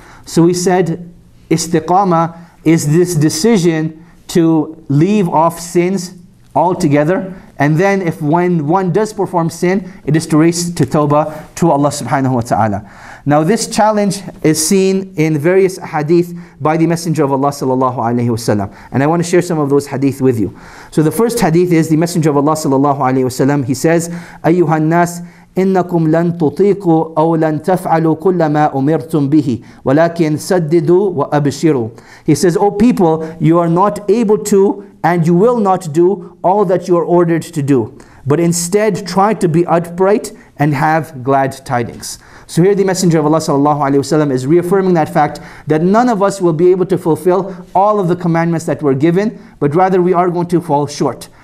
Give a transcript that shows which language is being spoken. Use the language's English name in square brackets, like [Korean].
[English] So we said istiqamah is this decision to leave off sins altogether, and then if when one does perform sin, it is to raise to tawbah to Allah subhanahu wa ta'ala. Now this challenge is seen in various hadith by the Messenger of Allah sallallahu alayhi wasallam. And I want to share some of those hadith with you. So the first hadith is the Messenger of Allah sallallahu alayhi wasallam. He says, [Arabic] أَيُّهَا النَّاسِ إِنَّكُمْ لَن تُطِيقُوا أَوْ لَن تَفْعَلُوا كُلَّ مَا أُمِرْتُمْ بِهِ وَلَكِنْ سَدِّدُوا وَأَبْشِرُوا. [English] He says, O people, you are not able to and you will not do all that you are ordered to do, but instead try to be upright and have glad tidings. So here the Messenger of Allah sallallahu alaihi wasallam is reaffirming that fact that none of us will be able to fulfill all of the commandments that were given, but rather we are going to fall short.